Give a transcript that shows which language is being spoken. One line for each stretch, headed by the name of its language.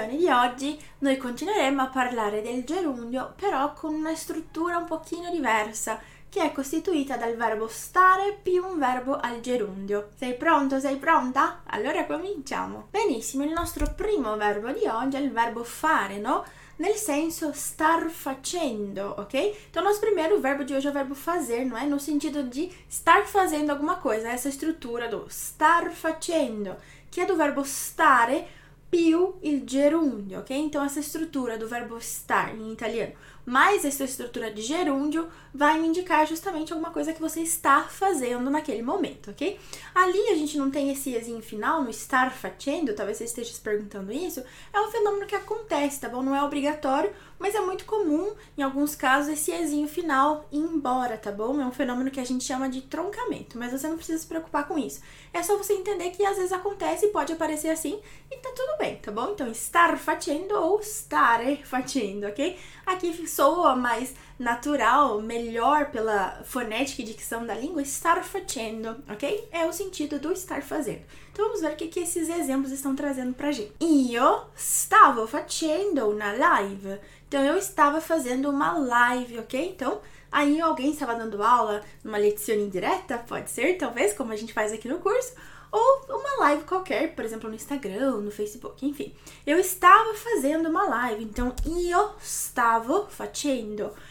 Italian: oggi noi continueremo a parlare del gerundio, però con una struttura un pochino diversa, che è costituita dal verbo stare più un verbo al gerundio. Sei pronto? Sei pronta? Allora cominciamo. Benissimo, il nostro primo verbo di oggi è il verbo fare, no? Nel senso star facendo, ok?
Portuguese: Então, nosso primeiro verbo de hoje é o verbo fazer, não é? No sentido de estar fazendo alguma coisa, essa estrutura do estar facendo, que é do verbo stare
Italian: più il gerundio,
Portuguese: ok? Então, essa estrutura do verbo estar em italiano mais essa estrutura de gerúndio vai me indicar justamente alguma coisa que você está fazendo naquele momento, ok? Ali a gente não tem esse esinho final no estar fazendo, talvez você esteja se perguntando isso, é um fenômeno que acontece, tá bom? Não é obrigatório, mas é muito comum em alguns casos esse esinho final ir embora, tá bom? É um fenômeno que a gente chama de troncamento, mas você não precisa se preocupar com isso. É só você entender que às vezes acontece e pode aparecer assim e tá tudo bem, tá bom? Então, estar fazendo ou stare facendo, ok? Aqui soa mais natural, melhor pela fonética e dicção da língua, estar fazendo, ok? É o sentido do estar fazendo. Então vamos ver o que que esses exemplos estão trazendo pra gente.
Italian: Io stavo facendo una live.
Portuguese: Então eu estava fazendo uma live, ok? Então aí alguém estava dando aula numa lezione indireta, pode ser, talvez, como a gente faz aqui no curso, ou uma live qualquer, por exemplo, no Instagram, no Facebook, enfim. Eu estava fazendo uma live, então
Italian: io stavo facendo.